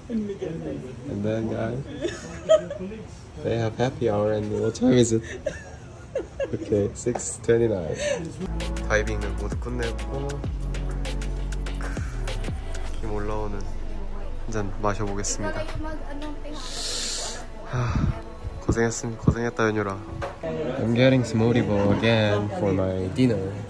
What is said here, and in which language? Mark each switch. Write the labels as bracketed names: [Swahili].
[English] And then guys, they have happy hour and what time is it? Okay, 6:29. [Korean] 다이빙을 모두 끝내고 힘 올라오는 한잔 마셔보겠습니다. 고생했다 연유라. [English] I'm getting some olive oil again for my dinner.